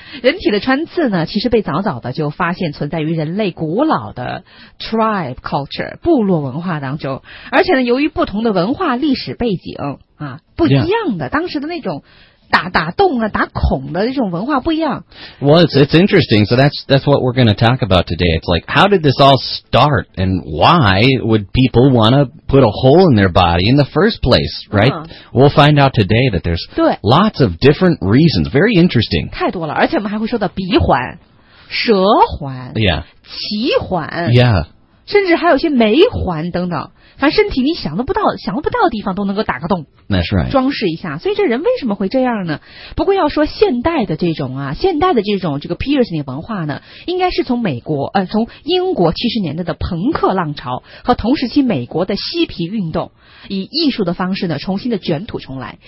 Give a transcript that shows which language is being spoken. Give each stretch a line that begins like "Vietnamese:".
Chinese: 人体的穿刺呢，其实被早早的就发现存在于人类古老的 tribe culture 部落文化当中，而且呢，由于不同的文化历史背景啊，不一样的、当时的那种打洞啊、打孔的那种文化不一样。
English: Well, it's interesting. So that's what we're going to talk about today. It's like, how did this all start, and why would people want to put a hole in their body in the first place? Right?、 Uh-huh. We'll find out today that there's lots of different reasons. Very interesting.
Chinese: 太多了，而且我们还会说到鼻环、舌环、 yeah. 脐环、 yeah. 甚至还有些眉环等等。反正身体你想不到的地方都能够打个洞，那是、
English: right.
Chinese: 装饰一下。所以这人为什么会这样呢？不过要说现代的这种 piercing 文化呢，应该是从英国70年代的朋克浪潮和同时期美国的嬉皮运动，以艺术的方式呢重新的卷土重来。